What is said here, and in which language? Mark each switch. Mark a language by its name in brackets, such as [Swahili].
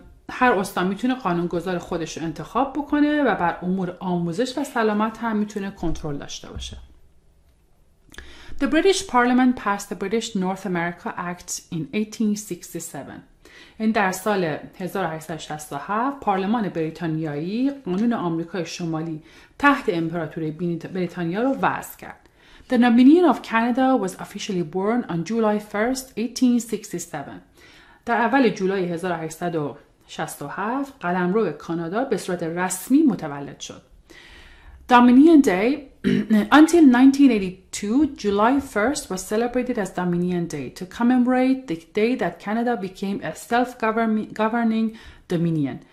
[Persian] هر استان میتونه قانونگذار خودش رو انتخاب بکنه و بر امور آموزش و سلامت هم میتونه کنترل داشته باشه. [English] The British Parliament passed the British North America Act in 1867. [Persian] در سال 1867 پارلمان بریتانیایی قانون آمریکای شمالی تحت امپراتوری بریتانیا را وضع کرد. [English] The Dominion of Canada was officially born on July 1st, 1867. [Persian] در اول جولای 1867 قلمرو کانادا به صورت رسمی متولد شد. [English] Dominion Day until 1982 July 1st was celebrated as Dominion Day to commemorate the day that Canada became a self-governing dominion.